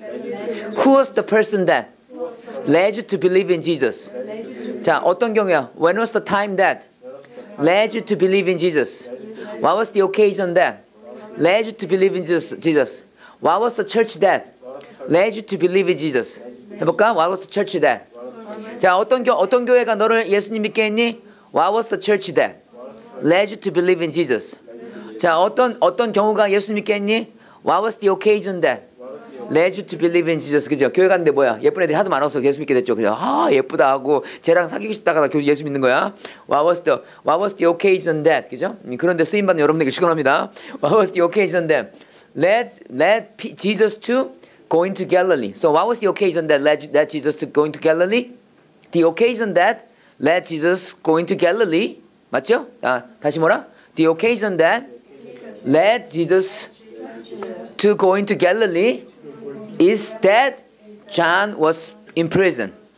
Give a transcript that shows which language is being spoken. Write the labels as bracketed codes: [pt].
[en] Who was the person that led you to believe in Jesus? [ko] 자, 어떤 경우야? [en] When was the time that led you to believe in Jesus? What was the occasion that led you to believe in Jesus? What was the church that led you to believe in Jesus? [ko] 해볼까? [en] What was the church that? [ko] 자, 어떤 교회가 너를 예수님 믿게 했니? [en] What was the church that led you to believe in Jesus? [ko] 자, 어떤 경우가 예수님 믿게 했니? [en] What was the occasion that led you to believe in Jesus? [ko] 그죠? 교회 갔는데 뭐야? 예쁜 애들이 하도 많아서 예수 믿게 됐죠. 그죠? 아, 예쁘다 하고 쟤랑 사귀고 싶다가 교회 예수 믿는 거야. [en] What was the occasion that? [ko] 그죠? 그런데 쓰임 받는 여러분들에게 축원합니다. [en] What was the occasion that led Jesus to going to Galilee? So what was the occasion that led Jesus to going to Galilee? The occasion that led Jesus going to Galilee. [ko] 맞죠? 아, 다시 뭐라? [en] The occasion that led Jesus to going to Galilee is that John was in prison.